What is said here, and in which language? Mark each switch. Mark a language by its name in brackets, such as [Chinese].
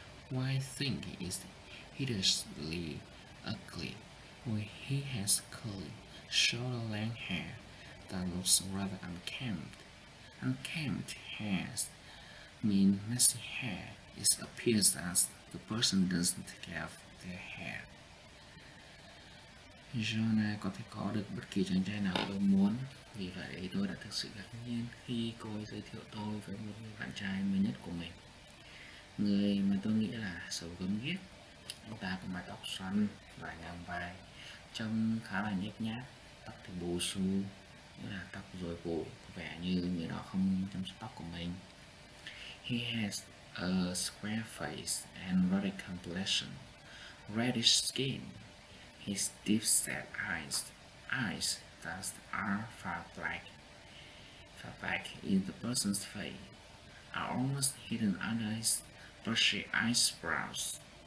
[English] What I think is hideously ugly. When he has curly, shorter length hair that looks rather unkempt. Unkempt hair means messy hair. It appears as the person doesn't care for their hair. [Vietnamese] Joanna có thể có được bất kỳ chàng trai nào tôi muốn. Vì vậy tôi đã thực sự ngạc nhiên khi cô ấy giới thiệu tôi với một người bạn trai mới nhất của mình. Người mà tôi nghĩ là xấu gớm ghiếc. Ông ta có mái tóc xoăn và ngang vai, trông khá là nhếch nhác, tóc thì bù xù, nghĩa là tóc rối bù, vẻ như người đó không chăm sóc tóc của mình. [English] He has a square face and ruddy complexion, reddish skin. His deep-set eyes that are far back in the person's face, are almost hidden under his bushy eyebrows.